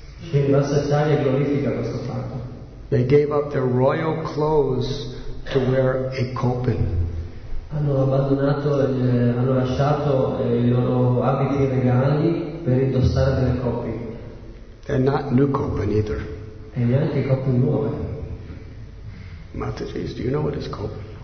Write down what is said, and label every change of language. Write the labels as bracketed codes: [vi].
[it] Srinivasacharya glorifica questo fatto. [en] They gave up their royal clothes to wear a kopan. [it] Hanno lasciato i loro abiti regali per indossare delle copie. [en] And not new kopan either. [it] E neanche copie nuove. [en] Mataji, do you know what is kopan?